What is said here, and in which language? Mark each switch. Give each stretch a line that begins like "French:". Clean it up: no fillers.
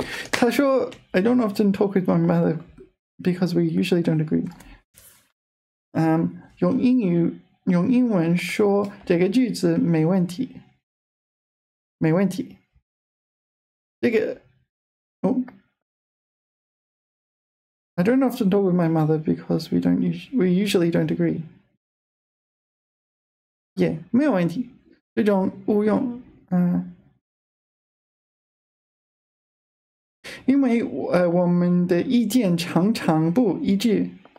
Chinese: 他说
English: I don't often talk with my mother because we usually don't agree。
Chinese: 用英文说这个句子没问题。没问题。
English: 这个I don't often talk with my mother because we usually don't agree. Yeah,
Chinese: 没有问题。这种误用，因为我们的意见常常不一致。